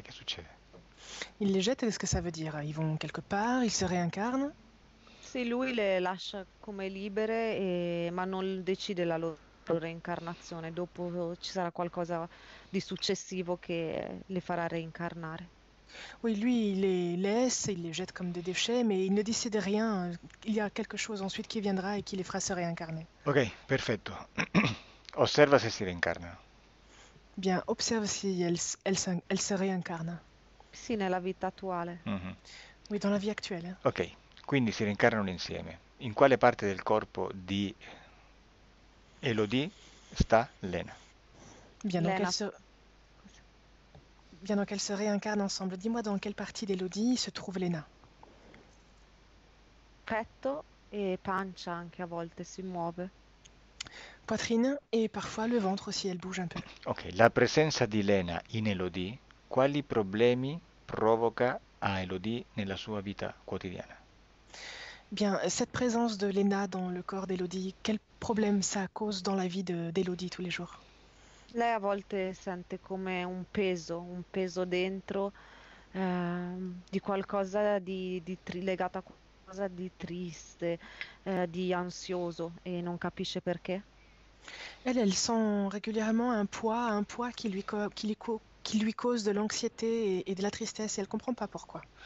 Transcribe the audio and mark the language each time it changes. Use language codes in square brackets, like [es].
[it] Che succede? [fr] Il les jette, qu'est-ce que ça veut dire? Ils vont quelque part, ils se réincarnent? [it] Sì, lui le lascia come libere, ma non decide la loro reincarnazione. Dopo ci sarà qualcosa di successivo che le farà reincarnare. [fr] Oui, lui, il les laisse, il les jette comme des déchets, mais il ne décide rien. Il y a quelque chose ensuite qui viendra et qui les fera se réincarner. [it] Ok, perfetto. Osserva se si reincarna. [fr] Bien, observe si elle se réincarne. [it] Sì, nella vita attuale. [fr] Oui, dans la vie actuelle. [it] Ok, quindi si reincarnano insieme. In quale parte del corpo di Elodie sta Lena? [fr] Bien, donc elle Lena. se... Bien, donc elles se réincarnent ensemble. Dis-moi dans quelle partie d'Elodie se trouve Lena? [it] Petto e pancia anche a volte si muove. [fr] Poitrine et parfois le ventre aussi, elle bouge un peu. [it] Ok, la presenza di Lena in Elodie, quali problemi provoca a Elodie nella sua vita quotidiana? [fr] Bien, cette présence de Lena dans le corps d'Elodie, quel problème ça cause dans la vie d'Elodie tous les jours? [it] Lei a volte sente come un peso dentro, di qualcosa legato a qualcosa di triste, di ansioso e non capisce perché. [fr] Elle sent régulièrement un poids qui lui cause de l'anxiété et de la tristesse, et elle ne comprend pas pourquoi.